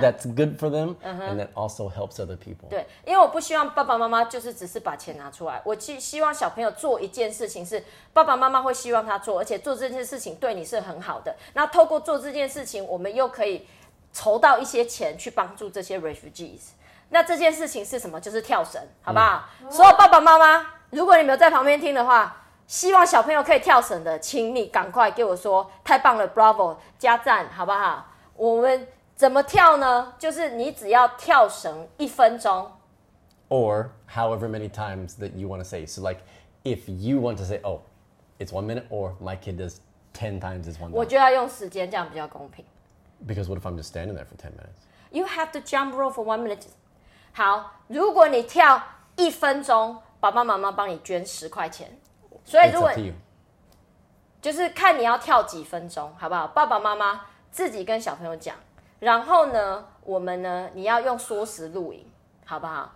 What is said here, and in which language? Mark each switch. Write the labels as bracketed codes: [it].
[en] that's good for them,、uh-huh. and that also helps other people. [zh] 对，因为我不希望爸爸妈妈就是只是把钱拿出来，我希望小朋友做一件事情是爸爸妈妈会希望他做，而且做这件事情对你是很好的。那透过做这件事情，我们又可以筹到一些钱去帮助这些 refugees。那这件事情是什么？就是跳绳，好不好？所有爸爸妈妈，如果你没有在旁边听的话。希望小朋友可以跳绳的，请你赶快给我说，太棒了 ，Bravo， 加赞，好不好？我们怎么跳呢？就是你只要跳绳一分钟 [en] ，or however many times that you want to say. So like, if you want to say, oh, it's 1 minute, or my kid does 10 times is 1 minute. [zh] 我觉得要用时间，这样比较公平。 [en] Because what if I'm just standing there for 10 minutes? You have to jump rope for 1 minute. [zh] 好，如果你跳一分钟，爸爸妈妈帮你捐十块钱。所以如果就是看你要跳几分钟，好不好？爸爸妈妈自己跟小朋友讲，然后呢，我们呢，你要用缩时录影，好不好？